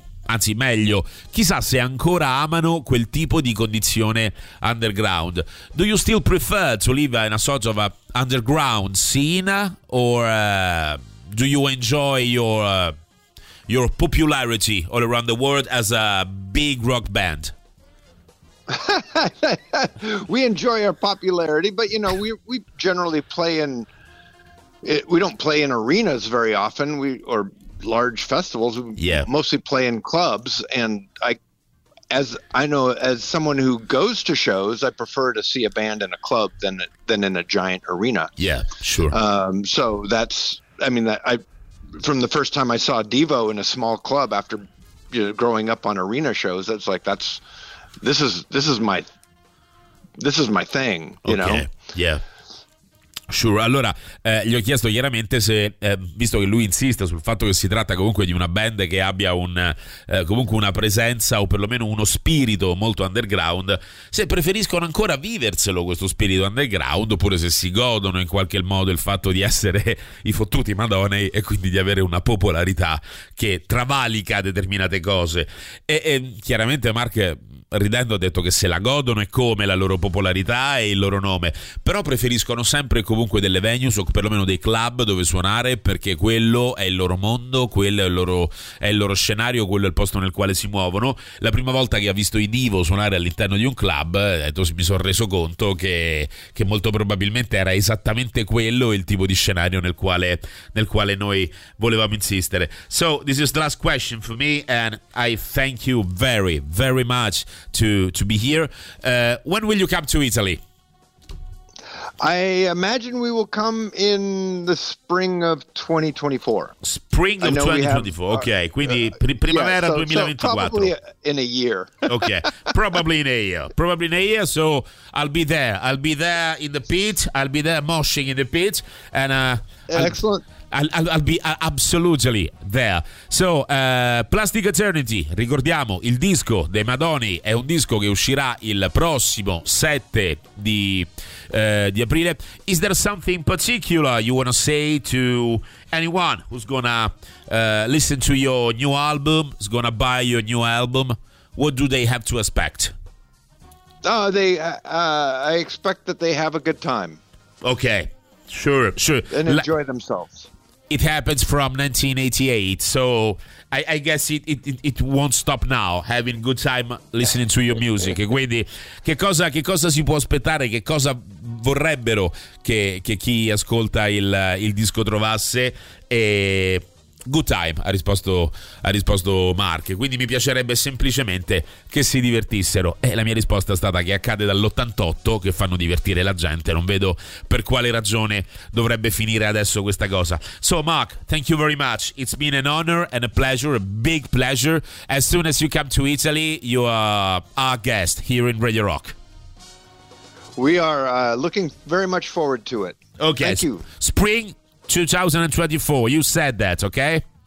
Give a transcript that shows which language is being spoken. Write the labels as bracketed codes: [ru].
[it] Anzi, meglio, chissà se ancora amano quel tipo di condizione underground. [en] Do you still prefer to live in a sort of a underground scene, or do you enjoy your popularity all around the world as a big rock band? We enjoy our popularity, but you know, we generally play in it, we don't play in arenas very often. Or large festivals, yeah. Mostly play in clubs, and as someone who goes to shows, I prefer to see a band in a club than in a giant arena. Yeah, sure. So that's, I mean, that I, from the first time I saw Devo in a small club after, you know, growing up on arena shows, that's like, that's, this is my thing, you okay. know? Yeah. [it] Sure, allora gli ho chiesto chiaramente se, visto che lui insiste sul fatto che si tratta comunque di una band che abbia comunque una presenza o perlomeno uno spirito molto underground, se preferiscono ancora viverselo questo spirito underground, oppure se si godono in qualche modo il fatto di essere i fottuti Madonei e quindi di avere una popolarità che travalica determinate cose. E chiaramente Mark, ridendo, ha detto che se la godono, è come la loro popolarità e il loro nome, però preferiscono sempre comunque delle venues o perlomeno dei club dove suonare, perché quello è il loro mondo, quello è il loro scenario, quello è il posto nel quale si muovono. La prima volta che ha visto i Devo suonare all'interno di un club, mi sono reso conto che molto probabilmente era esattamente quello il tipo di scenario nel quale noi volevamo insistere. [en] So this is the last question for me, and I thank you very very much to be here. When will you come to Italy? I imagine we will come in the spring of 2024. Spring of 2024. Okay. [it] Quindi primavera, [en] yeah, so, 2024. So probably in a year. Okay. Probably in a year. So I'll be there. I'll be there in the pit. I'll be there moshing in the pit. And excellent. I'll be absolutely there. [it] So Plastic Eternity, ricordiamo, il disco dei Madonei è un disco che uscirà il prossimo 7 di aprile. [en] Is there something particular you want to say to anyone who's gonna listen to your new album, is gonna buy your new album? What do they have to expect? I expect that they have a good time. Okay, sure. And enjoy themselves. It happens from 1988, so I guess it won't stop now, having good time listening to your music. [it] Quindi che cosa si può aspettare, che cosa vorrebbero che chi ascolta il disco trovasse? E [en] good time, [it] ha risposto Mark. Quindi mi piacerebbe semplicemente che si divertissero. E la mia risposta è stata che accade dall'88 che fanno divertire la gente. Non vedo per quale ragione dovrebbe finire adesso questa cosa. [en] So Mark, thank you very much. It's been an honor and a pleasure, a big pleasure. As soon as you come to Italy, you are our guest here in Radio Rock. We are looking very much forward to it. Okay. Thank you. Spring 2024, you said that, okay?